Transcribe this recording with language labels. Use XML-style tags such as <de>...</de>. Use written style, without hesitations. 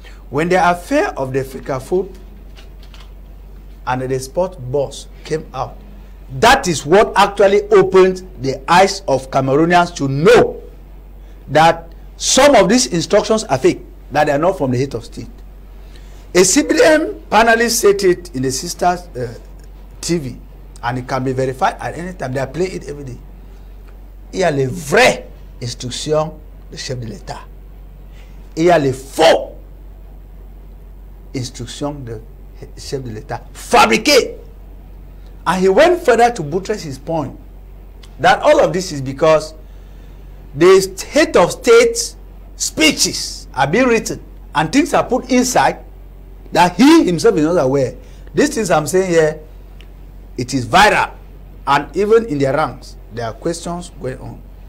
<en>When the affair of the Fika food and the sport bus came out, that is what actually opened the eyes of Cameroonians to know that some of these instructions are fake, that they are not from the head of state. A CBM panelist said it in the sister's TV, and it can be verified at any time. They are playing it every day.</en> <fr>Il y a les vraies instructions du chef de l'État. Il y a les faux instructions du chef de l'État. Fabriqué.</fr> <en>And he went further to buttress his point that all of this is because the head of state speeches are being written and things are put inside that he himself is not aware. These things I'm saying here, it is viral. And even in their ranks, there are questions going on.</en>